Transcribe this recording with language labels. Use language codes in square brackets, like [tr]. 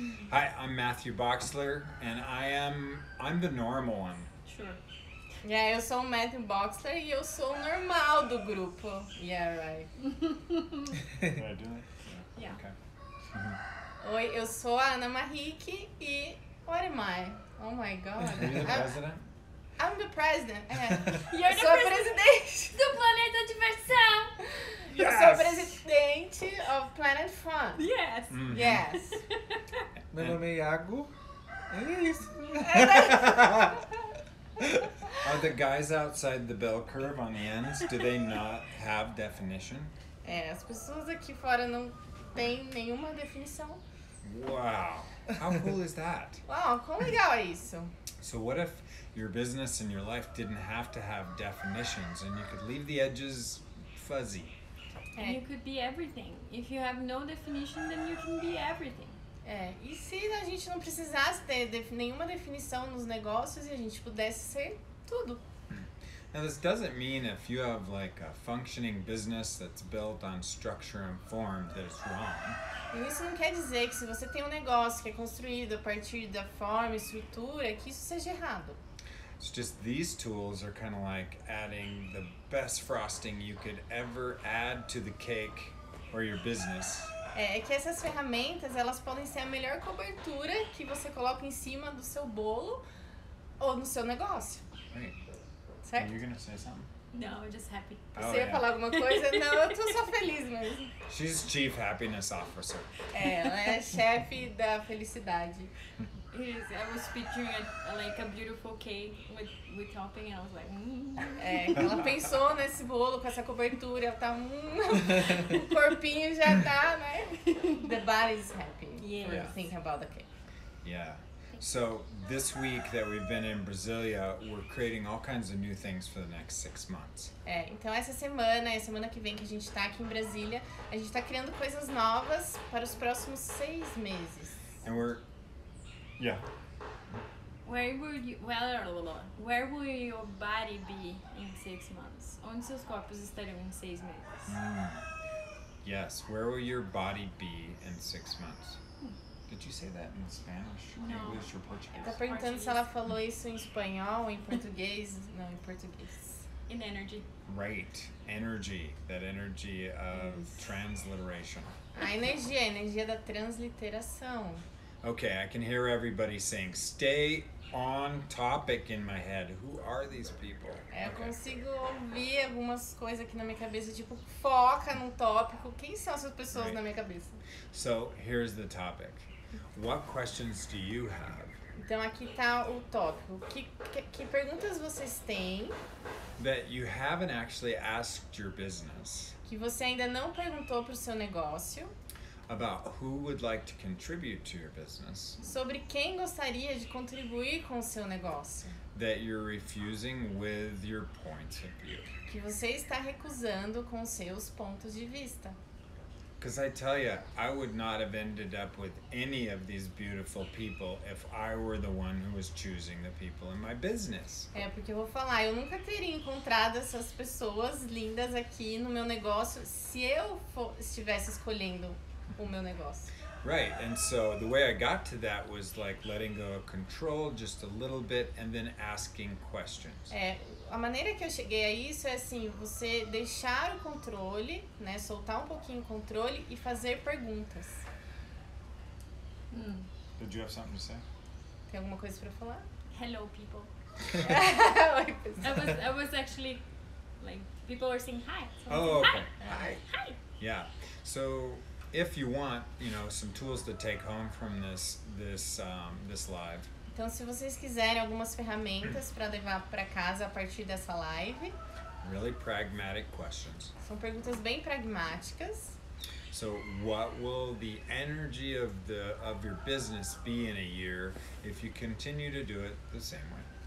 [en] Hi, I'm Matthew Boxler, and I'm the normal one. Sure. [pt] Yeah, eu sou o Matthew Boxler e eu sou o normal do grupo. [en] Yeah, right. Can I do that? Yeah. [pt] Okay. Oi, eu sou a Ana Marrique e... [en] What am I? Oh my God. Are you the president? I'm the president. You're [pt] sou [en] the [pt] presidente do Planeta Diversão. [en] Yes. [pt] Eu sou presidente [en] of Planet Fun. Yes. Mm-hmm. Yes. [pt] Meu nome é Iago. É isso. [en] Are the guys outside the bell curve on the ends, do they not have definition? [pt] É, as pessoas aqui fora não têm nenhuma definição. [en] Wow, how cool is that? [pt] Wow, como legal é isso? [en] So what if your business and your life didn't have to have definitions and you could leave the edges fuzzy? And you could be everything. If you have no definition, then you can be everything. [pt] É, e se a gente não precisasse ter nenhuma definição nos negócios e a gente pudesse ser tudo? [en] Now, this doesn't mean if you have like a functioning business that's built on structure and form that it's wrong. [pt] Isso não quer dizer que se você tem um negócio que é construído a partir da forma e estrutura, que isso seja errado. [en] It's just these tools are kind of like adding the best frosting you could ever add to the cake or your business. [pt] É que essas ferramentas, elas podem ser a melhor cobertura que você coloca em cima do seu bolo ou no seu negócio. [en] Right. [pt] Certo? [en] You're gonna say something? No, I'm just happy. [pt] Você ia falar alguma coisa? Não, eu tô só feliz mesmo. [en] She's chief happiness officer. [pt] É, ela é chefe da felicidade. [en] I was picturing a, like a beautiful cake with topping and I was like, [pt] É, ela pensou nesse bolo com essa cobertura, ela tá o corpinho já tá, né? [en] The body's happy. Yeah. When you think about the cake. Yeah. So this week that we've been in Brasilia, we're creating all kinds of new things for the next 6 months. [pt] É, então essa semana que vem que a gente tá aqui em Brasília, a gente tá criando coisas novas para os próximos 6 meses. [en] And we're Yeah. Where will your body be in 6 months? [pt] Onde seus corpos estarão em 6 meses? [en] Yes, where will your body be in 6 months? Did you say that in Spanish? No. English or Portuguese? [pt] Está perguntando [en] Portuguese. [pt] Se ela falou isso em espanhol ou em português. Não, em português. [en] In energy. Right. Energy. That energy of transliteration. [pt] A energia da transliteração. [en] Okay, I can hear everybody saying, stay on topic in my head. Who are these people? [pt] É, eu consigo ouvir algumas coisas aqui na minha cabeça, tipo, foca num tópico. Quem são essas pessoas [en] right. [pt] na minha cabeça? [en] So, here's the topic. What questions do you have? [pt] Então, aqui tá o tópico. Que perguntas vocês têm? [en] That you haven't actually asked your business. [pt] Que você ainda não perguntou pro seu negócio. [en] About who would like to contribute to your business. [pt] Sobre quem gostaria de contribuir com o seu negócio. [en] That you're refusing with your points of view. [pt] Que você está recusando com seus pontos de vista. [en] Because I tell you, I would not have ended up with any of these beautiful people if I were the one who was choosing the people in my business. [pt] É, porque eu vou falar, eu nunca teria encontrado essas pessoas lindas aqui no meu negócio se eu estivesse escolhendo o meu negócio. [en] Right, and so the way I got to that was like letting go of control just a little bit and then asking questions. [pt] É, a maneira que eu cheguei a isso é assim, você deixar o controle, né, soltar um pouquinho o controle e fazer perguntas. [en] Did you have something to say? [pt] Tem alguma coisa para falar? [en] Hello, people. I was actually, like, people were saying hi. So oh, saying, okay. Hi. Yeah, so if you want, you know, some tools to take home from this live. [pt] Então, se vocês quiserem algumas ferramentas para levar para casa a partir dessa live. [en] Really pragmatic questions. [pt] São perguntas bem pragmáticas. [en] So, what will the energy of your business be in a year if you continue to do it the same way?